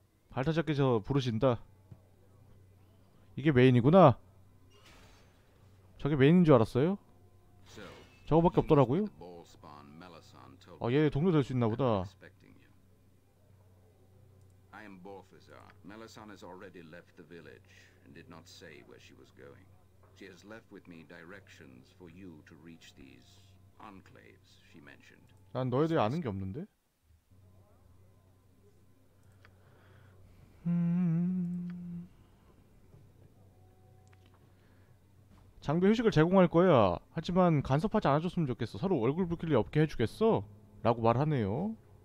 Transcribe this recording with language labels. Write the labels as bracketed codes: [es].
[ko] 발타자께서 부르신다. 이게 메인이구나. 저게 메인인 줄 알았어요. 저거밖에 없더라고요. 아, 얘 동료 될 수 있나 보다. [en] I am Balthazar. Melisande has already left the village and did not say where she was going. She has left with me directions for you to reach these enclaves she mentioned. [ko] 난 너에 대해 아는 게 없는데. 장비 휴식을 제공할 거야. 하지만 간섭하지 않아줬으면 좋겠어. 서로 얼굴 붉힐 일 없게 해주겠어? 라고 말하네요.